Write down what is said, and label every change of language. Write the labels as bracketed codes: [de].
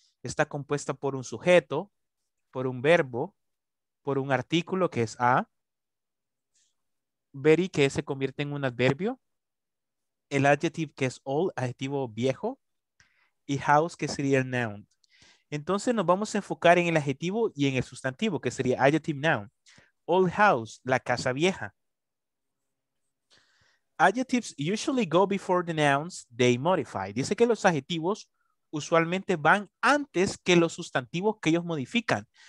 [es] Está compuesta por un sujeto, por un verbo, por un artículo que es a, very, que se convierte en un adverbio, el adjective que es old, adjetivo viejo, y house que sería el noun. Entonces nos vamos a enfocar en el adjetivo y en el sustantivo, que sería adjective noun. [en] Old house, [es] la casa vieja. [en] Adjectives usually go before the nouns they modify. [es] Dice que los adjetivos usualmente van antes que los sustantivos que ellos modifican.